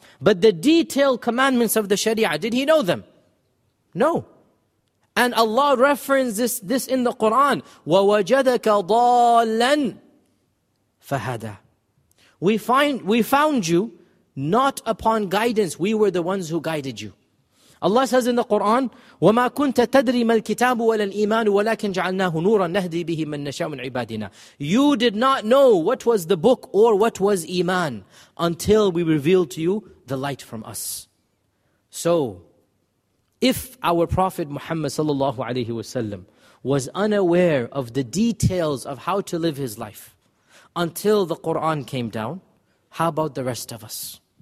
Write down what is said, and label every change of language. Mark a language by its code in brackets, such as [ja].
[en] But the detailed commandments of the Sharia, did he know them? No. And Allah references this in the Quran. [ar] وَوَجَدَكَ ضَالًا فَهَدَى. [en] We found you not upon guidance. We were the ones who guided you. Allah says in the Quran, [ar] وَمَا كُنْتَ تَدْرِي مَا الْكِتَابُ وَلَا الْإِيمَانُ وَلَكِنْ جَعَلْنَاهُ نُورًا نَهْدِي بِهِ مَنْ نَشَاءُ مِنْ عِبَادِنَا. [en] You did not know what was the book or what was iman until we revealed to you the light from us. So, if our Prophet Muhammad sallallahu alaihi wasallam was unaware of the details of how to live his life until the Quran came down, how about the rest of us?